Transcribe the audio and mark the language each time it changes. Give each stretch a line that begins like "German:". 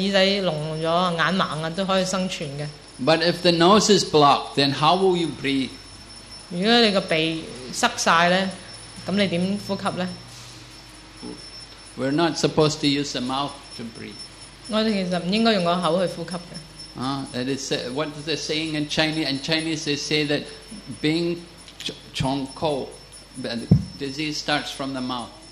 Chinese: 即是就算你聋了,耳朵聋了,眼盲了,都可以生存的。
English: But if the nose is blocked, then how will you breathe?
Chinese: 如果你的鼻塞了,那你怎么呼吸呢?
English: We're not supposed to use the mouth to breathe.
Chinese: 我们其实不应该用口去呼吸的。
English: That is, what is the saying in Chinese? In Chinese they say that being chong ko, the disease starts from the mouth.